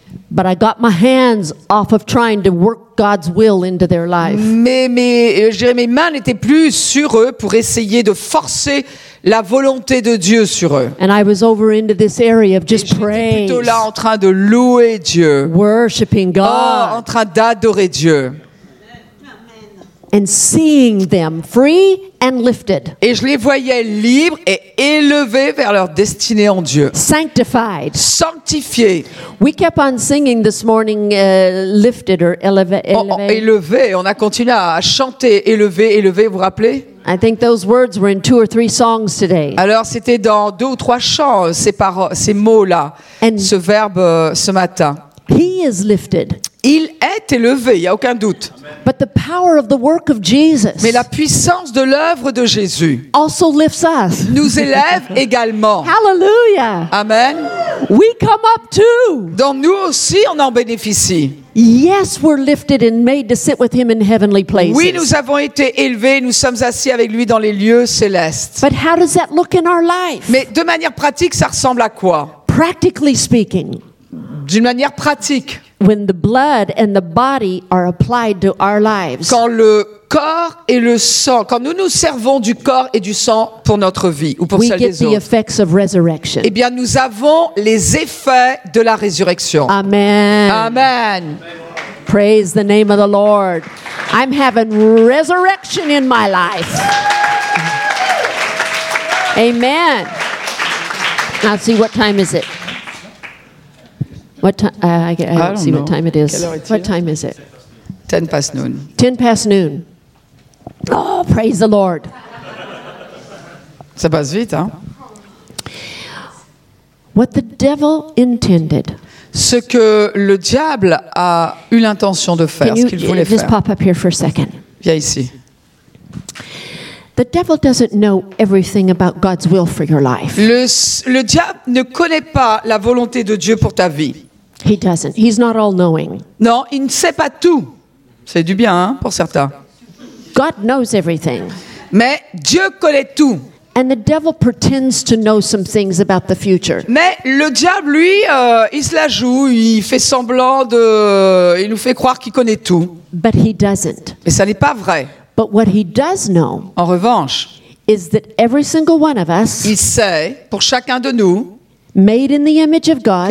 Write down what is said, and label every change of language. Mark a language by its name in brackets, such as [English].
[English] but I got my hands off of trying to work God's will into their life. [French] Mes mains n'étaient plus sur eux pour essayer de forcer la volonté de Dieu sur eux. [English] And I was over into this area of just praise. [French] J'étais plutôt là en train de louer Dieu, [English] worshiping God, [French] en train d'adorer Dieu. [English] And seeing them free and lifted. [French] Et je les voyais libres et élevés vers leur destinée en Dieu. [English] Sanctified. [French] Sanctifiés. [English] We kept on singing this morning, lifted or [French] élevé. On a continué à chanter élevé, élevé. Vous vous rappelez? [English] I think those words were in two or three songs today. [French] Alors c'était dans deux ou trois chants ces mots là, ce verbe ce matin. [English] He is lifted. [French] Il est élevé, il n'y a aucun doute. [English] But the power of the work of Jesus. [French] Mais la puissance de l'œuvre de Jésus. [English] Also lifts us. [French] Nous élève également. [English] Hallelujah. [French] Amen. [English] We come up too. [French] Donc nous aussi on en bénéficie. [English] Yes, we're lifted and made to sit with him in heavenly places. [French] Oui, nous avons été élevés, nous sommes assis avec lui dans les lieux célestes. [English] But how does that look in our life? [French] Mais de manière pratique, ça ressemble à quoi? [English] Practically speaking. [French] D'une manière pratique. [English] When the blood and the body are applied to our lives. [French] Quand le corps et le sang, quand nous nous servons du corps et du sang pour notre vie ou pour [English] we [French] celle [English] get [French] des autres. [English] The effects of resurrection. [French] Eh bien, nous avons les effets de la résurrection. [English] Amen. [French] Amen. [English] Praise the name of the Lord. I'm having resurrection in my life. Amen. Now, see, what time is it? What time? I don't see know. What time it is. What time is it? 10 past noon. 10 past noon. Oh, praise the Lord. [French] Ça passe vite, hein? [English] What the devil intended. [French] Ce que le diable a eu l'intention de faire, [English] you, [French] ce qu'il voulait [English] just [French] faire. [English] Pop up here for a second. [French] Viens ici. [English] The devil doesn't know everything about God's will for your life. [French] Le diable ne connaît pas la volonté de Dieu pour ta vie. [English] He doesn't. He's not all knowing. [French] Non, il ne sait pas tout. C'est du bien, hein, pour certains. [English] God knows everything. [French] Mais Dieu connaît tout. [English] And the devil pretends to know some things about the future. [French] Mais le diable, lui, il se la joue, il fait semblant de, il nous fait croire qu'il connaît tout. [English] But he doesn't. [French] Mais ça n'est pas vrai. [English] But what he does know. [French] En revanche. [English] Is that every single one of us. [French] Il sait pour chacun de nous. [English] Made in the image of God.